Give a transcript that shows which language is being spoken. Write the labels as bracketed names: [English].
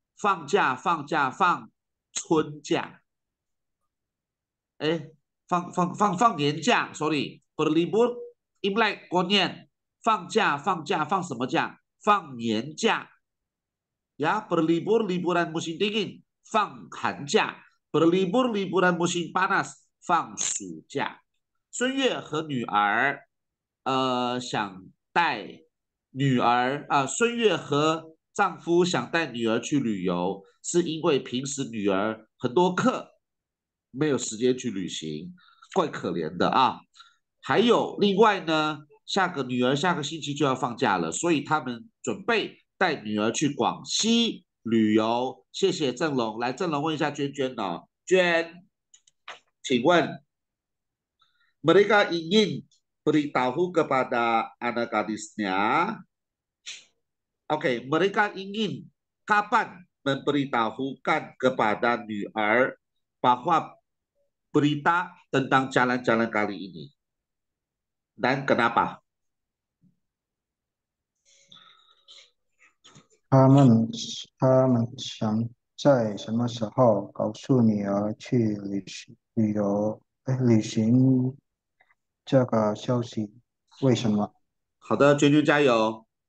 [Chinese] 放假，放假，放春假。哎，放年假， [English] sorry. [Indonesian] Berlibur, Imlek, [Chinese] 过年。放假，放假，放什么假？放年假，呀， [Indonesian] berlibur liburan musim dingin， [Chinese] 放寒假， [Indonesian] berlibur liburan musim panas， [Chinese] 放暑假。孙悦和女儿，想带女儿啊，孙悦和丈夫想带女儿去旅游，是因为平时女儿很多课，没有时间去旅行，怪可怜的啊。还有另外呢，下个女儿下个星期就要放假了，所以他们。准备带女儿去广西旅游，谢谢郑龙。来，郑龙问一下娟娟哦，娟，请问， [Indonesian] mereka ingin beritahu kepada anak gadisnya，OK，mereka ingin kapan memberitahukan kepada 女儿 bahwa berita tentang jalan-jalan kali ini dan kenapa？ [Chinese] 他们想在什么时候告诉女儿去旅行旅游？旅行这个消息，为什么？好的，娟娟加油。